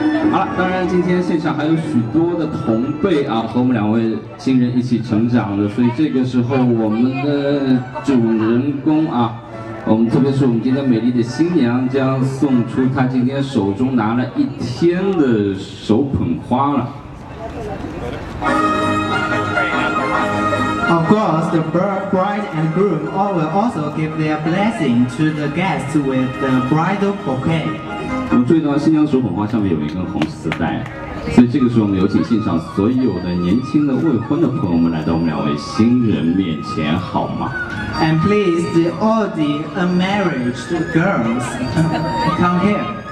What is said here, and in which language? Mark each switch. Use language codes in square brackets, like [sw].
[zh] 好了，当然今天现场还有许多的同辈啊，和我们两位新人一起成长的，所以这个时候我们的主人公啊，我们特别是我们今天美丽的新娘将送出她今天手中拿了一天的手捧花了。 [en] Of course, the bride and groom all will also give their blessing to the guests with the bridal bouquet. [zh] 我们注意到新娘手捧花上面有一根红丝带，所以这个时候我们有请现场所有的年轻的未婚的朋友们来到我们两位新人面前，好吗？ [en] And please, the all the unmarried girls come here.